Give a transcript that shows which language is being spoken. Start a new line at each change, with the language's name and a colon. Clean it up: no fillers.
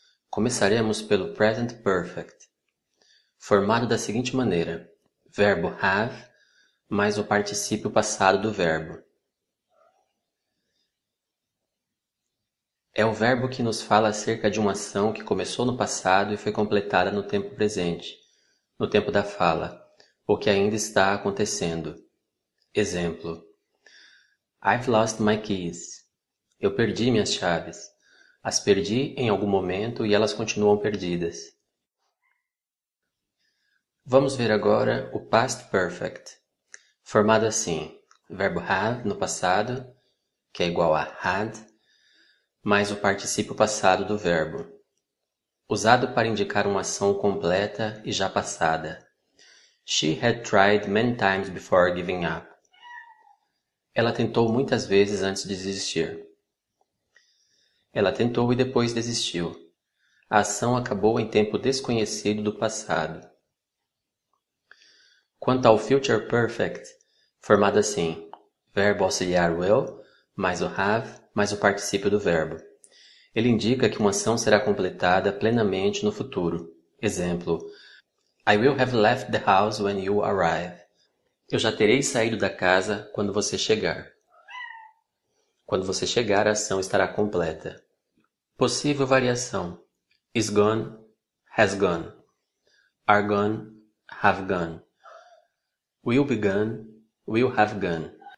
Portuguese: Começaremos pelo Present Perfect, formado da seguinte maneira: verbo have mais o particípio passado do verbo. É o verbo que nos fala acerca de uma ação que começou no passado e foi completada no tempo presente, no tempo da fala, ou que ainda está acontecendo.
English: Exemplo: I've lost my keys.
Portuguese: Eu perdi minhas chaves. As perdi em algum momento e elas continuam perdidas. Vamos ver agora o Past Perfect, formado assim: verbo have no passado, que é igual a had, mais o particípio passado do verbo, usado para indicar uma ação completa e já passada.
English: She had tried many times before giving up.
Portuguese: Ela tentou muitas vezes antes de desistir. Ela tentou e depois desistiu. A ação acabou em tempo desconhecido do passado. Quanto ao Future Perfect, formado assim: verbo auxiliar will, mais o have, mais o particípio do verbo. Ele indica que uma ação será completada plenamente no futuro.
English: Exemplo: I will have left the house when you arrive.
Portuguese: Eu já terei saído da casa quando você chegar. Quando você chegar, a ação estará completa. Possível variação:
English: is gone, has gone, are gone, have gone, will be gone, will have gone.